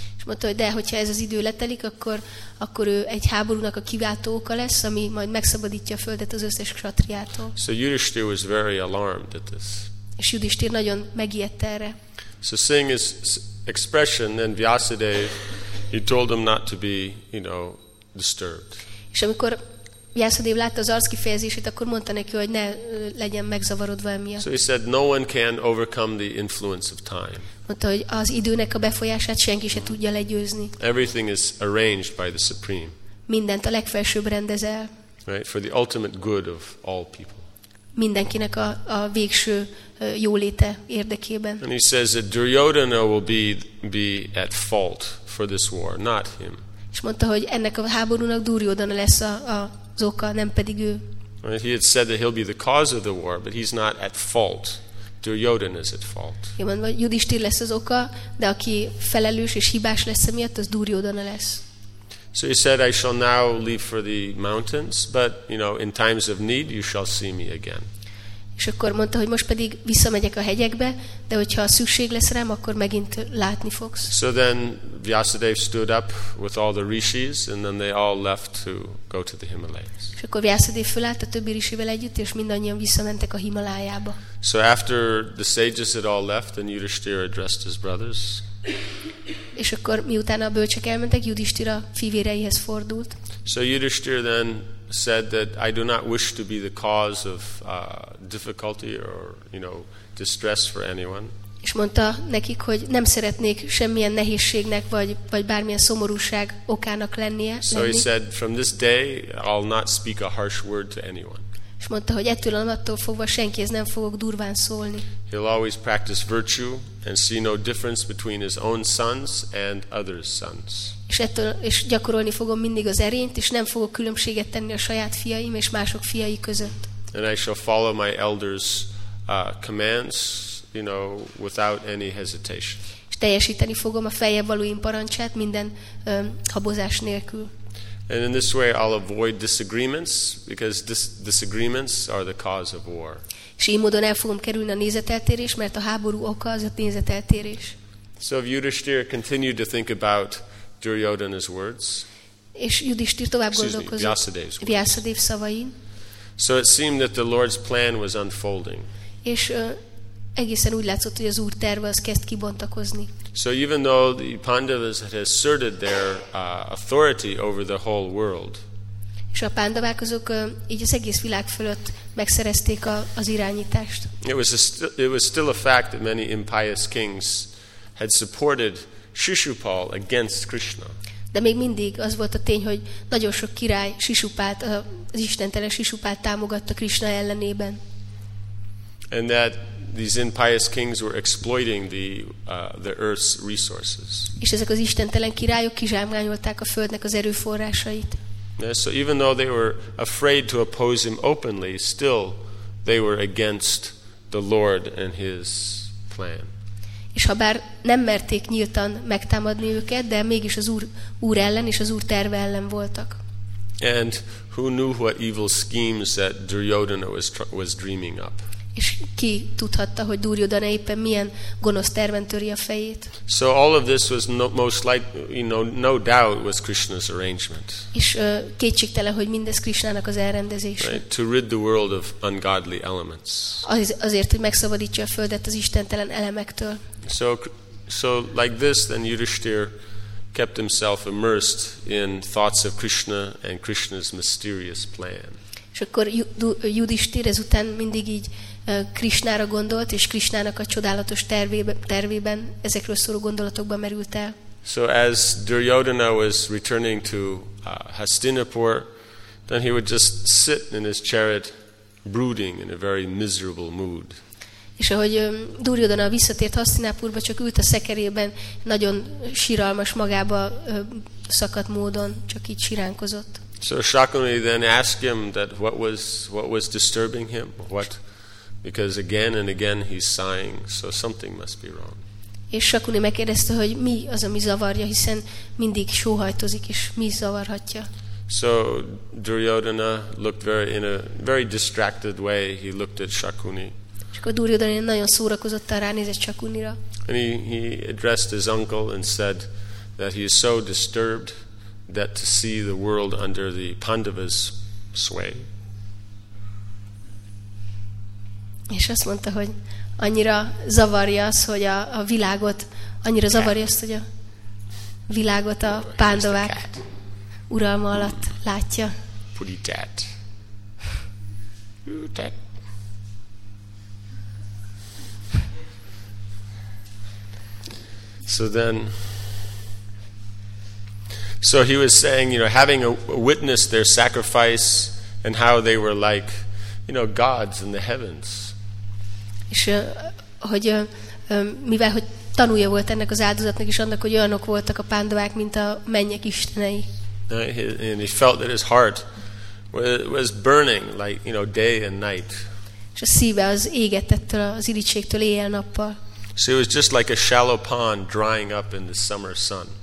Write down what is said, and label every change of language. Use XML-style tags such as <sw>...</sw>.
<hu>És mondta, hogy de hogyha ez az idő letelik, akkor ő egy háborúnak a kiváltó oka lesz, ami majd megszabadítja a földet az összes kshatriától.</hu> <en>So Yudhishthira was very alarmed at this.</en> <hu>És Yudhishthira nagyon megijedt erre.</hu> <en>So seeing his expression, then Vyasadeva, he told him not to be, you know, disturbed.</en> <hu>És amikor Vyászadév látta az arc kifejezését, akkor mondta neki, hogy ne legyen megzavarodva emiatt.</hu> <en>So he said, no one can overcome the influence of time.</en> <hu>Mondta, hogy az időnek a befolyását senki se tudja legyőzni.</hu> <en>Everything is arranged by the supreme.</en> <hu>Mindent a legfelsőbb rendez el.</hu> <en>Right, for the ultimate good of all people.</en> <hu>Mindenkinek a végső jóléte érdekében.</hu> <en>And he says that Duryodhana will be at fault for this war, not him.</en> <hu>És mondta, hogy ennek a háborúnak Duryodhana lesz az oka, nem pedig ő.</hu> <en>Right, he had said that he'll be the cause of the war, but he's not at fault. Duryodhana is at fault.</en> <hu>Igen, mondta, hogy Yudhisthira lesz az oka, de aki felelős és hibás lesz emiatt, az Duryodhana lesz.</hu> <en>So he said, I shall now leave for the mountains, but you know, in times of need, you shall see me again.</en> <hu>És akkor mondta, hogy most pedig visszamegyek a hegyekbe, de hogyha szükség lesz rám, akkor megint látni fogsz.</hu> <en>So then Vyasadev stood up with all the rishis, and then they all left to go to the Himalayas.</en> <hu>És akkor Vyasadev fölállt a többi rishivel együtt, és mindannyian visszamentek a Himalájába.</hu> <en>So after the sages had all left, then Yudhisthira addressed his brothers.</en> <hu>És akkor miután a bölcsek elmentek, Yudhisthira fivéreihez fordult.</hu> <en>So Yudhisthira then said that I do not wish to be the cause of difficulty or you know distress for anyone.</en> <hu>És mondta nekik, hogy nem szeretnék semmilyen nehézségnek vagy bármilyen szomorúság okának lennie.</hu> <en>So he said, from this day I'll not speak a harsh word to anyone.</en> <hu>És mondta, hogy ettől a naptól fogva senkihez nem fogok durván szólni.</hu> <en>He'll always practice virtue and see no difference between his own sons and others' sons.</en> <hu>És gyakorolni fogom mindig az erényt, és nem fogok különbséget tenni a saját fiaim és mások fiai között.</hu> <en>And I shall follow my elders' commands, you know, without any hesitation.</en> <hu>És teljesíteni fogom a feljebb valóim parancsát minden habozás nélkül.</hu> <en>And in this way I'll avoid disagreements because disagreements are the cause of war.</en> <hu>És így módon el fogom kerülni a nézeteltérés, mert a háború oka az a nézeteltérés.</hu> <en>So Yudhisthira continued to think about Duryodhana's words.</en> <hu>És Yudhisthira tovább gondolkozott Vyasadev szavain.</hu> <en>So it seemed that the Lord's plan was unfolding.</en> <hu>És egészen úgy látszott, hogy az Úr terve az kezd kibontakozni.</hu> <en>So even though the Pandavas had asserted their authority over the whole world.</en> <hu>És a Pandavák azok így az egész világ fölött megszerezték az irányítást.</hu> <en>It was still a fact that many impious kings had supported Shishupal against Krishna.</en> <hu>De még mindig az volt a tény, hogy nagyon sok király Shishupalt, az istentelen Shishupalt támogatta Krishna ellenében.</hu> <en>And that these impious kings were exploiting the earth's resources.</en> <hu>És ezek az istentelen királyok kizsákmányolták a földnek az erőforrásait.</hu> <en>Yeah, so even though they were afraid to oppose him openly, still they were against the Lord and his plan.</en> <hu>És ha bár nem merték nyíltan megtámadni őket, de mégis az Úr ellen és az Úr terve ellen voltak.</hu> <en>And who knew what evil schemes that Duryodhana was dreaming up?</en> <hu>És ki tudhatta, hogy Duryodhana éppen milyen gonosz terven töri a fejét?</hu> <en>So all of this was no doubt was Krishna's arrangement.</en> <hu>És kétségtelen, hogy mindez Krishnának az elrendezése.</hu> <en>Right, to rid the world of ungodly elements.</en> <hu>Azért, hogy megszabadítsa a földet az istentelen elemektől.</hu> <en>So like this, then Yudhisthira kept himself immersed in thoughts of Krishna and Krishna's mysterious plan.</en> <hu>És akkor Yudhisthira ezután mindig így Krishnára gondolt, és Krishnának a csodálatos tervében ezekről szóló gondolatokba merült el.</hu> <en>So as Duryodhana was returning to Hastinapur, then he would just sit in his chariot brooding in a very miserable mood.</en> <hu>És ahogy Duryodhana visszatért Hastinapurba, csak ült a szekerében, nagyon síralmas magába szakadt módon, csak így siránkozott.</hu> <en>So Shakyamuni then asked him that what was disturbing him, what, because again and again he's sighing, so something must be wrong.</en> <hu>És Shakyamuni megkérdezte, hogy mi az, ami zavarja, hiszen mindig sóhajtozik, és mi zavarhatja.</hu> <en>So Duryodhana looked in a very distracted way, he looked at Shakyamuni.</en> <hu>És akkor Duryodhana nagyon szórakozottan ránézett Shakyamunira.</hu> <en>And he addressed his uncle and said that he is so disturbed that to see the world under the Pandavas sway.</en> <hu>És azt mondta, hogy annyira zavarja az, hogy a világot, annyira zavarja azt, hogy a világot a Pandavák uralma alatt látja. pretty tat. Ooh, tat.</hu> <en>So he was saying, you know, having a witness their sacrifice and how they were like, you know, gods in the heavens.</en> <hu>És hogy mivel hogy tanúja volt ennek az áldozatnak is annak, hogy olyanok voltak a pándovák, mint a mennyek istenei.</hu> <en>And he felt that his heart was burning, like, you know, day and night.</en> <hu>És a szíve az égett ettől az irigységtől éjjel-nappal.</hu> <en>So it was just like a shallow pond drying up in the summer sun.</en>